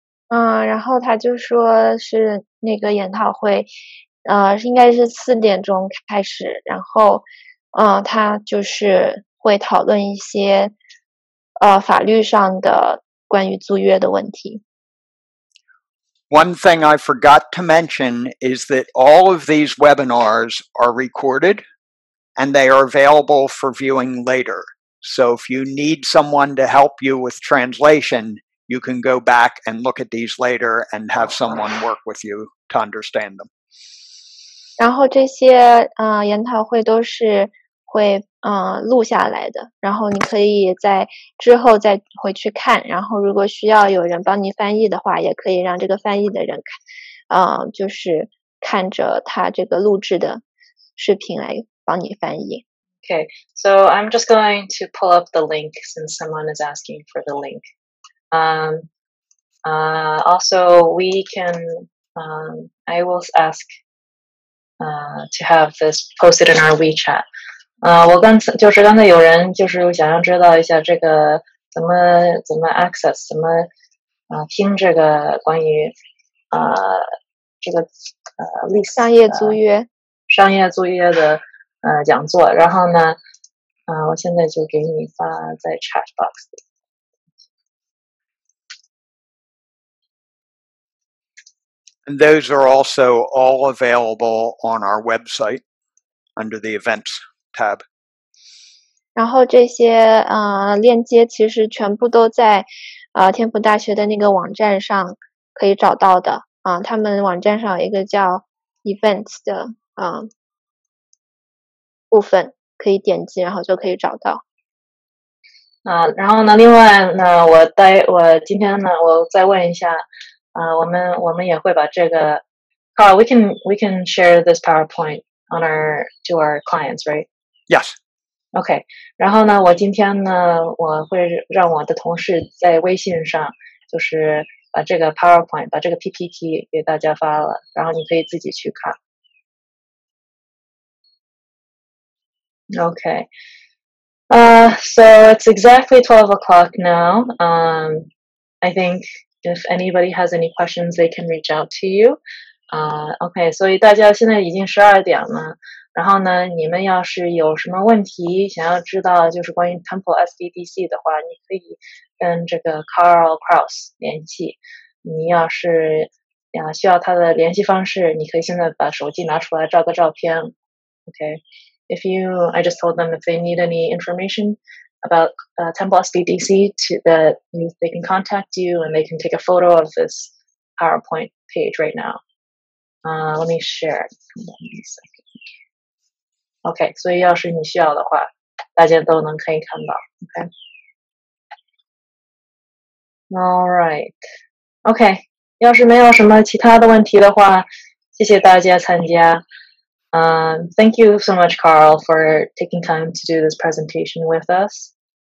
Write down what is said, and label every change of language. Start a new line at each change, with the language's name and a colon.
Chinese: 然后他就说是那个研讨会，应该是4点钟开始，然后。他就是会讨论一些法律上的关于租约的问题。
English: One thing I forgot to mention is that all of these webinars are recorded and they are available for viewing later. So if you need someone to help you with translation, you can go back and look at these later and have someone work with you to understand them.
Chinese: 然后这些研讨会都是会录下来的，然后你可以在之后再回去看，然后如果需要有人帮你翻译的话，也可以让这个翻译的人看，就是看着他这个录制的视频来帮你翻译。
English: Okay, so I'm just going to pull up the link since someone is asking for the link. Also, we can, I will ask to have this posted in our WeChat.
Chinese: 我刚才就是刚才有人就是想要知道一下这个怎么 access 怎么听这个关于这个商业租约的讲座，然后呢我现在就给你发在 chat box。
English: And those are also all available on our website under the events. Tab.
Chinese: 然后这些链接其实全部都在天普大学的那个网站上可以找到的他们网站上有一个叫 events 的部分可以点击然后就可以找到。然后呢另外呢我今天呢我再问一下我们也会把这个
English: Carl, we can share this PowerPoint to our clients, right? Yes.
Chinese: Okay. 然后呢，我今天呢，我会让我的同事在微信上，就是把这个 PowerPoint， 把这个 PPT 给大家发了，然后你可以自己去看。
English: Okay. So it's exactly 12 o'clock now. I think if anybody has any questions, they can reach out to you. Okay.
Chinese: 所以大家现在已经12点了。然后呢，你们要是有什么问题想要知道，就是关于 Temple SBDC 的话，你可以跟这个 Carl Kraus 联系。你要是需要他的联系方式，你可以现在把手机拿出来照个照片。
English: Okay, I just told them if they need any information about Temple SBDC, they can contact you and they can take a photo of this PowerPoint page right now. Let me share. Give me a second. OK,
Chinese: 所以要是你需要的话大家都能可以看到
English: OK Alright OK,
Chinese: 要是没有什么其他的问题的话谢谢大家参加
English: Thank you so much Carl for taking time to do this presentation with us